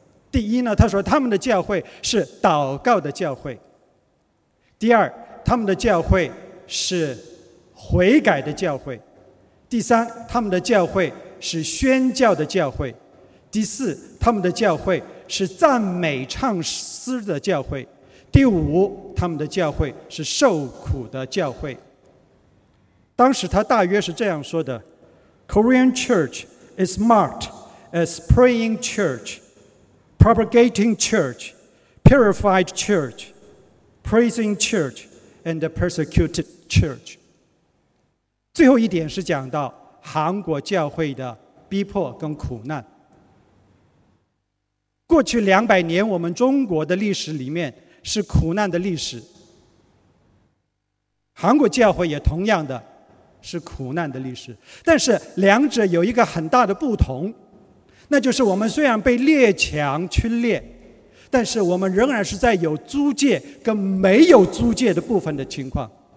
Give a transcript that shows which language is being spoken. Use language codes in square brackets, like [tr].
[zh] 第一呢，他说他们的教会是祷告的教会；第二，他们的教会是悔改的教会；第三，他们的教会是宣教的教会；第四，他们的教会是赞美唱诗的教会；第五，他们的教会是受苦的教会。当时他大约是这样说的， [en] Korean church is marked as praying church, propagating church, purified church, praising church, and persecuted church。 [zh] 最后一点是讲到韩国教会的逼迫跟苦难。过去200年，我们中国的历史里面是苦难的历史，韩国教会也同样的是苦难的历史，但是两者有一个很大的不同，那就是我们虽然被列强侵略，但是我们仍然是在有租界跟没有租界的部分的情况。